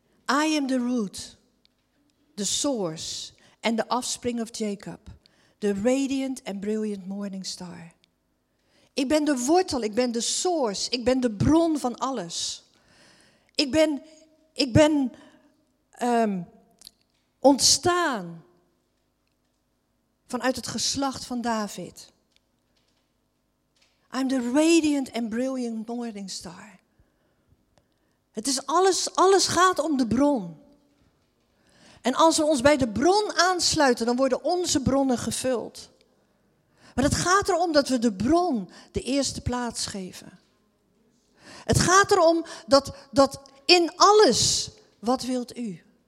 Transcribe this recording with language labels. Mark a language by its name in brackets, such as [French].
[English] I am the root, the source and the offspring of Jacob, the radiant and brilliant morning star. [Dutch] Ik ben de wortel, ik ben de source, ik ben de bron van alles. Ik ben ontstaan vanuit het geslacht van David. [English] I'm the radiant and brilliant morning star. [Dutch] Het is alles gaat om de bron. En als we ons bij de bron aansluiten, dan worden onze bronnen gevuld. Maar het gaat erom dat we de bron de eerste plaats geven. Het gaat erom dat in alles, wat wilt u?